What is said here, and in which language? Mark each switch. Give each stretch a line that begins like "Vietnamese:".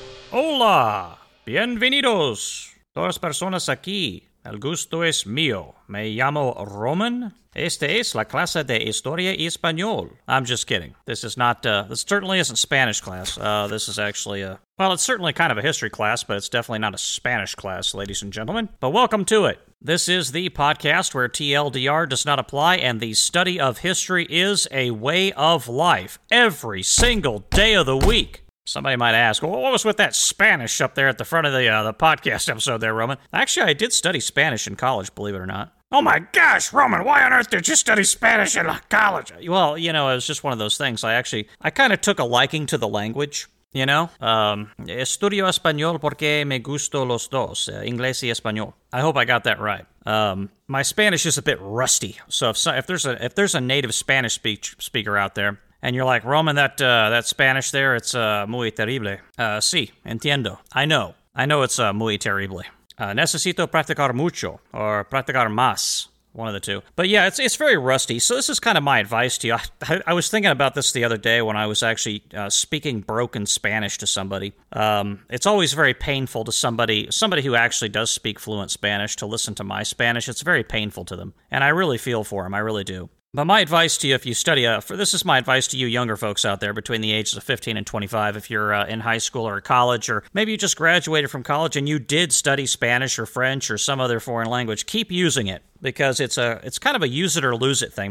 Spanish: Hola, bienvenidos, todas personas aquí. El gusto es mío. Me llamo Roman. Esta es la clase de historia español.
English: I'm just kidding. This is not, this certainly isn't Spanish class. This is actually a, well, it's certainly kind of a history class, but it's definitely not a Spanish class, ladies and gentlemen. But welcome to it. This is the podcast where TLDR does not apply and the study of history is a way of life every single day of the week. Somebody might ask, well, what was with that Spanish up there at the front of the podcast episode there, Roman? Actually, I did study Spanish in college, believe it or not. Oh my gosh, Roman, why on earth did you study Spanish in college? Well, you know, it was just one of those things. I kind of took a liking to the language, you know?
Spanish: Estudio español porque me gusto los dos, inglés y español.
English: I hope I got that right. My Spanish is a bit rusty, so if there's a native Spanish speaker out there, and you're like, Roman, that Spanish there, it's
Spanish: muy terrible. Sí, entiendo.
English: I know it's
Spanish: muy terrible. Necesito practicar mucho, or practicar más,
English: one of the two. But yeah, it's very rusty, so this is kind of my advice to you. I was thinking about this the other day when I was actually speaking broken Spanish to somebody. It's always very painful to somebody who actually does speak fluent Spanish to listen to my Spanish. It's very painful to them, and I really feel for them, I really do. But my advice to you, if you study, this is my advice to you younger folks out there between the ages of 15 and 25, if you're in high school or college, or maybe you just graduated from college and you did study Spanish or French or some other foreign language, keep using it, because it's kind of a use it or lose it thing.